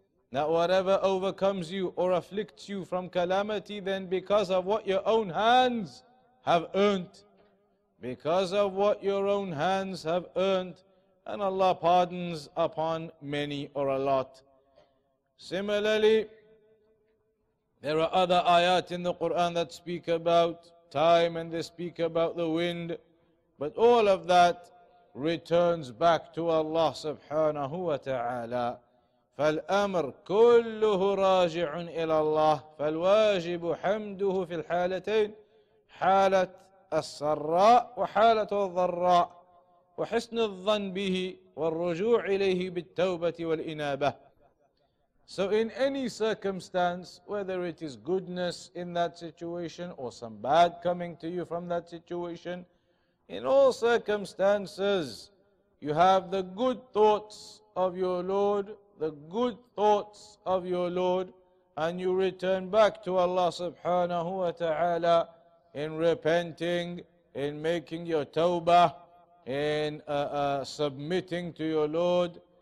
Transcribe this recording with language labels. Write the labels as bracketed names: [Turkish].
[English] that whatever overcomes you or afflicts you from calamity, then because of what your own hands have earned, because of what your own hands have earned, and Allah pardons upon many or a lot. Similarly, there are other ayat in the Quran that speak about time and they speak about the wind, but all of that returns back to Allah subhanahu wa ta'ala. [Arabic] فالأمر كله راجع إلى الله فالواجب حمده في الحالتين حالة السراء وحالة الضراء وحسن الظن به والرجوع إليه بالتوبة والإنابة. [English] So in any circumstance, whether it is goodness in that situation or some bad coming to you from that situation, in all circumstances, you have the good thoughts of your Lord, the good thoughts of your Lord, and you return back to Allah subhanahu wa ta'ala in repenting, in making your tawbah, in submitting to your Lord.